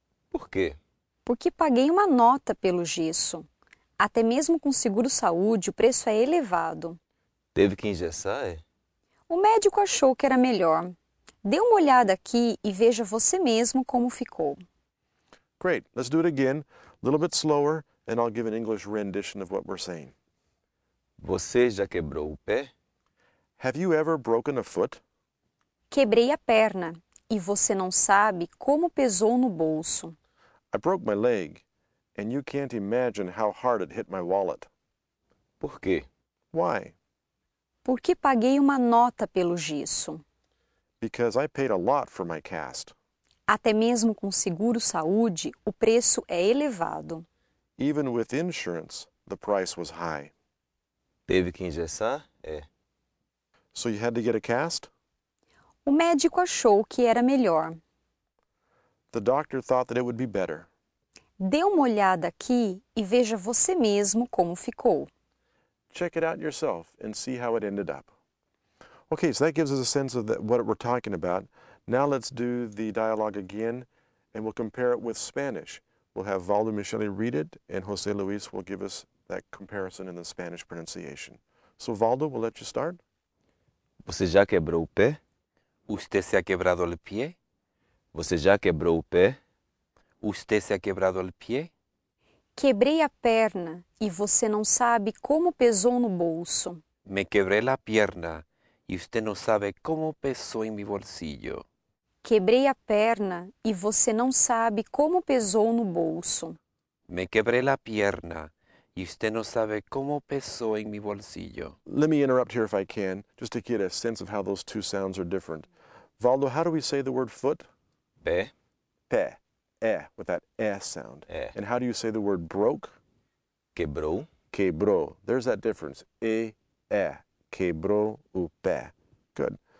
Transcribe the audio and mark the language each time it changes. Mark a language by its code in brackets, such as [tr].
[pt] Por quê? Porque paguei uma nota pelo gesso. Até mesmo com seguro-saúde, o preço é elevado. Teve que engessar, é? O médico achou que era melhor. Dê uma olhada aqui e veja você mesmo como ficou. [en] Great. Let's do it again. A little bit slower, and I'll give an English rendition of what we're saying. [pt] Você já quebrou o pé? [en] Have you ever broken a foot? [pt] Quebrei a perna, e você não sabe como pesou no bolso. [en] I broke my leg, and you can't imagine how hard it hit my wallet. [pt] Por quê? [en] Why? [pt] Porque paguei uma nota pelo gesso. [en] Because I paid a lot for my cast. [pt] Até mesmo com seguro-saúde, o preço é elevado. [en] Even with insurance, the price was high. [pt] Teve que engessar? É. [en] So you had to get a cast? [pt] O médico achou que era melhor. [en] The doctor thought that it would be better. [pt] Dê uma olhada aqui e veja você mesmo como ficou. [en] Check it out yourself and see how it ended up. Okay, so that gives us a sense of what we're talking about. Now let's do the dialogue again and we'll compare it with Spanish. We'll have Valdo Michele read it and José Luis will give us that comparison in the Spanish pronunciation. So Valdo, we'll let you start. [pt] Você já quebrou o pé? [es] Usted se ha quebrado el pie? [pt] Você já quebrou o pé? [es] Usted se ha quebrado el pie? [pt] Quebrei a perna e você não sabe como pesou no bolso. [es] Me quebré la pierna y usted no sabe cómo pesó en mi bolsillo. [pt] Quebrei a perna e você não sabe como pesou no bolso. [es] Me quebré la pierna y usted no sabe cómo pesó en mi bolsillo. [en] Let me interrupt here if I can, just to get a sense of how those two sounds are different. Valdo, how do we say the word foot? [pt] Pé. [en] Pé. É, with that é sound. [pt] É. [en] And how do you say the word broke? [pt] Quebrou. [en] Quebrou. There's that difference. E, é. [pt] Quebrou o pé. [en] Good.